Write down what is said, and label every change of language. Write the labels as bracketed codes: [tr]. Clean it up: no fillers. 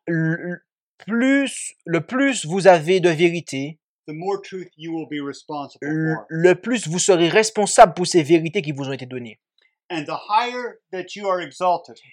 [fr] le plus vous avez de vérité, [en] the more truth you will be responsible for. [fr] Le plus vous serez responsable pour ces vérités qui vous ont été données. [en] And the higher that you are exalted,